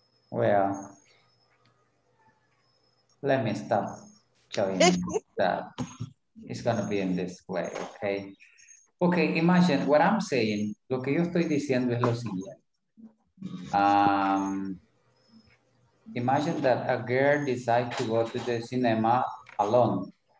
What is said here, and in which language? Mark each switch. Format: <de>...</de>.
<en>Well, let me stop showing that it's gonna be in this way, okay? Okay, imagine what I'm saying.</en> <es>Lo que yo estoy diciendo es lo siguiente.</es> <en>Imagine that a girl decides to go to the cinema alone.</en>